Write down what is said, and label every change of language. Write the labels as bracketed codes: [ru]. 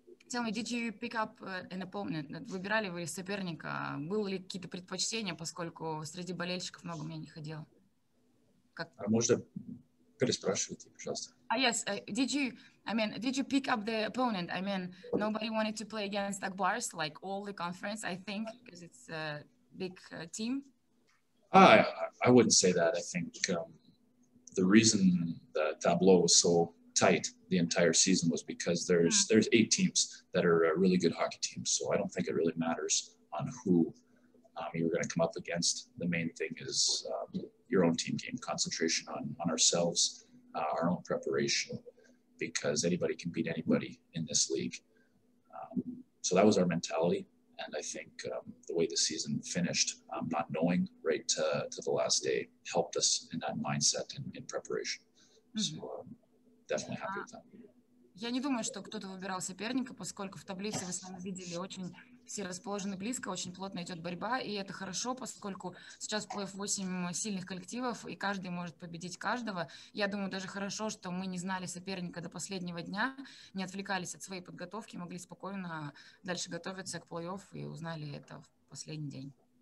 [en] Tell me, did you pick up an opponent? [ru] Выбирали вы соперника? Были ли какие-то предпочтения, поскольку среди болельщиков много мне не ходило? Как? Можно переспрашивать, пожалуйста. [en] Yes, did you pick up the opponent? I mean, nobody wanted to play against Akbars, like all the conference, I think, because it's a big team. I wouldn't say that. I think the reason that Tableau was so tight the entire season was because there's 8 teams that are really good hockey teams. So I don't think it really matters on who you're going to come up against. The main thing is your own team game, concentration on ourselves, our own preparation, because anybody can beat anybody in this league. So that was our mentality. And I think the way the season finished, not knowing right to the last day, helped us in that mindset and in preparation. So definitely happy with that. [ru] Я не думаю, что кто-то выбирал соперника, поскольку в таблице вы сами видели, очень все расположены близко, очень плотно идет борьба, и это хорошо, поскольку сейчас в плей-офф 8 сильных коллективов, и каждый может победить каждого. Я думаю, даже хорошо, что мы не знали соперника до последнего дня, не отвлекались от своей подготовки, могли спокойно дальше готовиться к плей-офф и узнали это в последний день.